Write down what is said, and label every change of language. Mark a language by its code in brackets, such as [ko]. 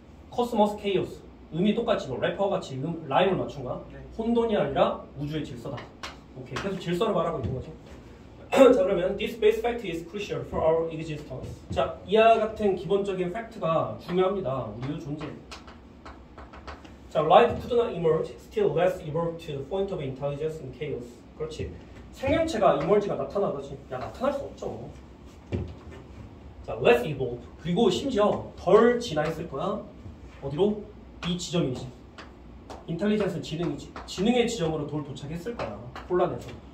[ko] 코스모스 케이오스. 음이 똑같지. 뭐 래퍼와 같이 라임을 맞춘 거야. 네. 혼돈이 아니라 우주의 질서다. 오케이. 계속 질서를 말하고 있는 거죠. 자, 그러면 [en] this base fact is crucial for our existence. [ko] 자, 이와 같은 기본적인 팩트가 중요합니다. 우리의 존재. [en] 자, life could not emerge, still less evolved to the point of intelligence in chaos. [ko] 그렇지. 생명체가 이멀지가 나타나다지. 야, 나타날 수 없죠. 자, [en] less evolved. [ko] 그리고 심지어 덜 진화했을 거야. 어디로? 이 지점이지. 인텔리전스 지능이지. 지능의 지점으로 돌 도착했을 거야. 혼란에서.